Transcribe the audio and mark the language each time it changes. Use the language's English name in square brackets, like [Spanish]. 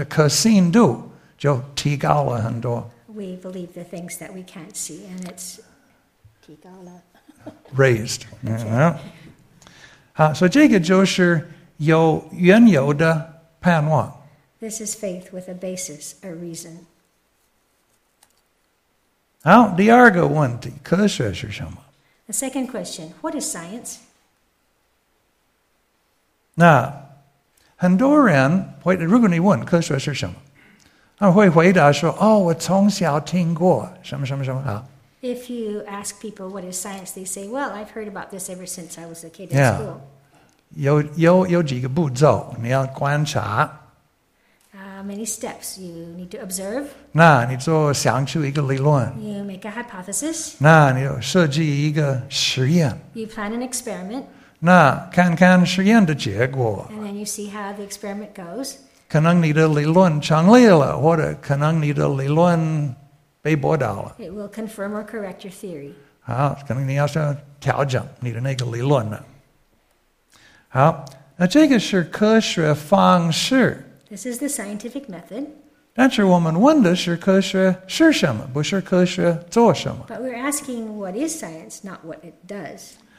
[Chinese] 那些不能考验的事情的可信度就提高了很多。 [English] We believe the things that we can't see, and it's [Chinese] 提高了。 [English] Raised. Okay. [Chinese] 所以这个就是有缘由的盼望。 [English] This is faith with a basis, a reason. [Chinese] 好,第二个问题,科学是什么? [English] The second question, what is science? [Chinese] 那, 很多人会如果你问科学是什么，他们会回答说：“哦，我从小听过什么什么什么。” [English] If you ask people what is science, they say, "Well, I've heard about this ever since I was a kid in school." [Chinese] Yeah. 有几个步骤你要观察。 [English] Many steps you need to observe. [Chinese] 那你做想出一个理论。 [English] You make a hypothesis. [Chinese] 那你设计一个实验。 [English] You plan an experiment. [Chinese] 那看看实验的结果。 [English] And then you see how the experiment goes. [Chinese] 可能你的理论成立了, 或者可能你的理论被驳倒了。 [English] It will confirm or correct your theory. [Chinese] 好,可能你要调整你的那个理论了。好,那这个是科学方式。 [English] This is the scientific method. [Chinese] 但是我们问的是科学是什么,不是科学做什么。 [English] But we're asking what is science, not what it does.